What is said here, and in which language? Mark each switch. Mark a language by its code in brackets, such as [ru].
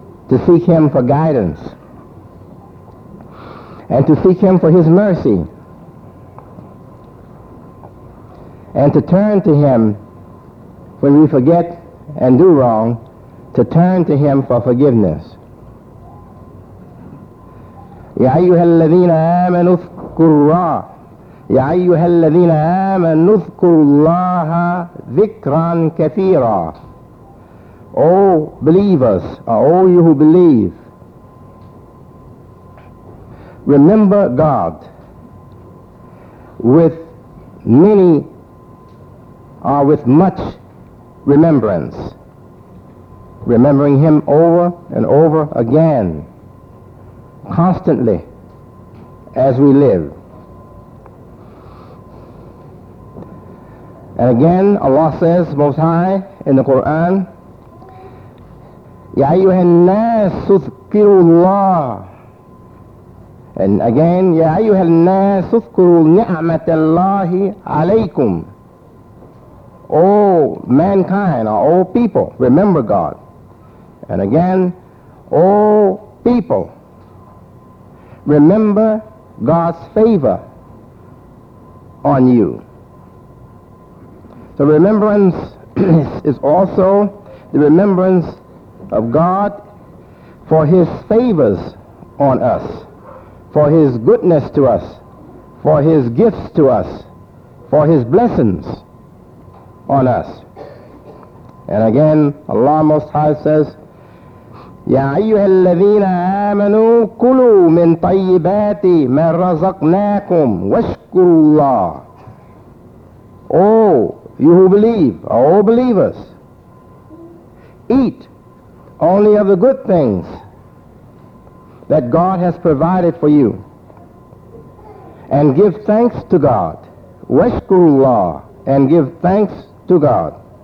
[en] To seek Him for guidance. And to seek Him for His mercy. And to turn to Him when we forget and do wrong, to turn to Him for forgiveness. [ar] يا أيها الذين آمنوا اذكروا يا أيها الذين آمنوا اذكروا الله ذكرا كثيرا. [en] O believers, all you who believe, remember God with many or with much remembrance, remembering Him over and over again, constantly, as we live. And again, Allah says, Most High, in the Quran, [ar] يَا أَيُّهَا النَّاسُ اذْكُرُوا اللَّهِ. [en] And again, [ar] يَا أَيُّهَا النَّاسُ اذْكُرُوا نِعْمَةَ اللَّهِ عَلَيْكُمْ. [en] All mankind, or all people, remember God. And again, all people, remember God's favor on you. So remembrance is also the remembrance of God for His favors on us, for His goodness to us, for His gifts to us, for His blessings on us. And again, Allah Most High says, [ar] يا أيها الذين آمنوا كلوا من طيبات ما رزقناكم واشكروا الله. [en] All you who believe, all believers, eat only of the good things that God has provided for you, and give thanks to God. [ar] واشكروا الله, [en] and give thanks to God.